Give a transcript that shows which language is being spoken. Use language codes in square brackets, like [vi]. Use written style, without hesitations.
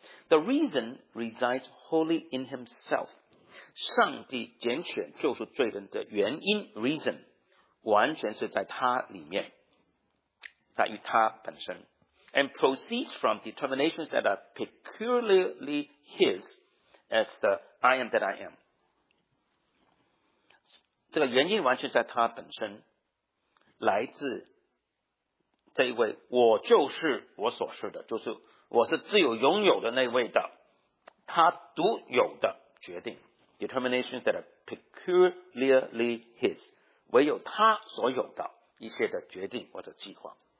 [en] The reason resides wholly in himself。 [zh] 上帝拣选救赎罪人的原因 reason 完全是在他里面，在于他本身。 [en] And proceeds from determinations that are peculiarly his as the I am that I am。 [zh] 这个原因完全在他本身，来自这一位我就是我所是的，就是我是自由拥有的那位的他独有的决定。 [en] Determinations that are peculiarly his， [zh] 唯有他所有的一些的决定或者计划。